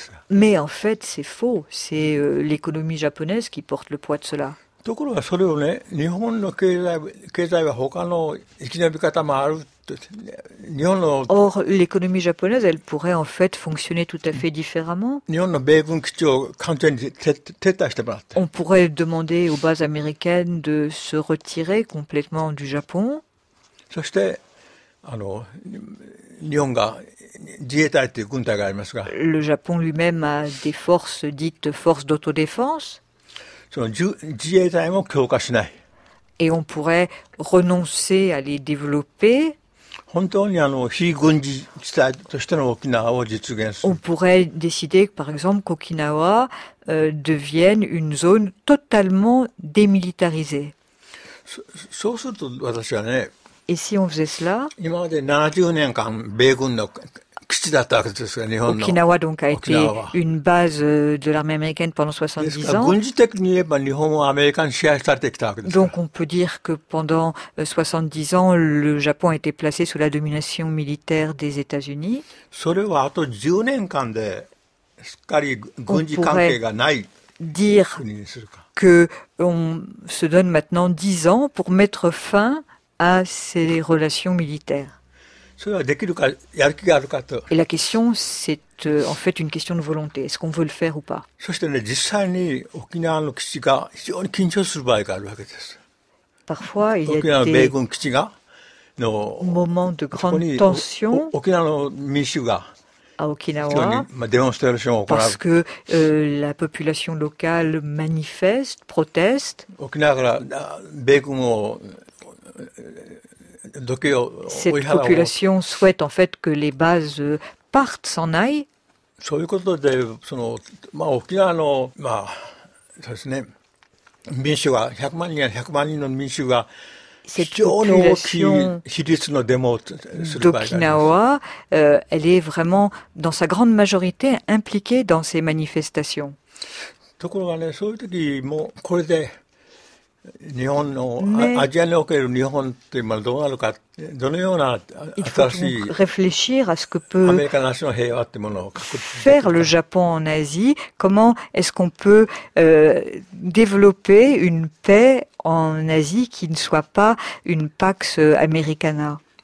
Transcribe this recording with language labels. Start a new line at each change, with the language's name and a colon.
French: Mais en fait, c'est faux. C'est l'économie japonaise qui porte le poids de cela.
Japanese: ところがそれをね、日本の経済は他の生き延び方もあると、日本の。
French: Or, l'économie japonaise, elle pourrait en fait fonctionner tout à fait différemment.
Japanese: 日本の米軍基地を完全に撤退してもらって。
French: On pourrait demander aux bases américaines de se retirer complètement du Japon.
Japanese: そして、日本が自衛隊という軍隊がありますが。
French: Le Japon lui-même a des forces dites forces d'autodéfense.
Japanese: その自衛隊も強化しない。
French: Et on pourrait renoncer à les développer.
Japanese: 本当に非軍事地帯としての沖縄を実現する。
French: On pourrait décider, par exemple, qu'Okinawa devienne une zone totalement démilitarisée.
Japanese: そうすると私はね。
French: Et si on faisait cela?
Japanese: 今まで70年間米軍の基地だったわけですが、日本の。
French: Okinawa donc a été une base de l'armée américaine pendant 70 ans.
Japanese: 軍事的に言えば日本はアメリカに支配されてきたわけです。
French: Donc on peut dire que pendant 70 ans, le Japon a été placé sous la domination militaire des États-Unis.
Japanese: それはあと10年間ですっかり軍事関係がない国にするか。
French: Que on se donne maintenant 10 ans pour mettre fin à ces relations militaires.
Japanese: それはできるか、やる気があるかと。
French: Et la question, c'est en fait une question de volonté. Est-ce qu'on veut le faire ou pas?
Japanese: そしてね、実際に沖縄の基地が非常に緊張する場合があるわけです。
French: Parfois, il y a des
Japanese: 沖縄の米軍基地が、
French: moments de grande tension.
Japanese: 沖縄の民衆が、
French: à Okinawa,
Japanese: デモンストレーションを行う。
French: Parce que la population locale manifeste, proteste.
Japanese: 沖縄から米軍を、
French: Cette population souhaite en fait que les bases partent, s'en aillent.
Japanese: そういうことで、沖縄の、そうですね、民衆が、100万人、100万人の民衆が、非常に大きい比率のデモをする場合があります。
French: Okinawa, elle est vraiment, dans sa grande majorité, impliquée dans ces manifestations.
Japanese: ところがね、そういう時もこれで、日本のアジアにおける日本って今どうなるか、どのような新しい、
French: réfléchir à ce que peut
Japanese: アメリカなしの平和ってものを確保、
French: faire le Japon en Asie, comment est-ce qu'on peut développer une paix en Asie qui ne soit pas une Pax Americana?